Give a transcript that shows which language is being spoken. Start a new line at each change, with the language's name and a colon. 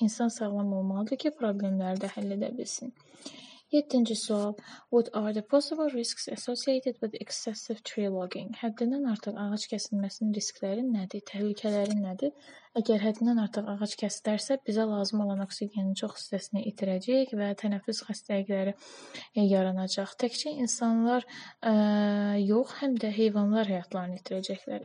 Azerbaijani: İnsan sağlam olmalıdır ki, problemləri də həll edə bilsin. 7-ci sual.
English: What are the possible risks associated with excessive tree logging?
Azerbaijani: Həddindən artıq ağac kəsilməsinin riskləri nədir? Təhlükələri nədir? Əgər həddindən artıq ağac kəsilərsə, bizə lazım olan oksigenin çox hissəsini itirəcəyik və tənəffüs xəstəlikləri yaranacaq. Təkcə insanlar yox, həm də heyvanlar həyatlarını itirəcəklər.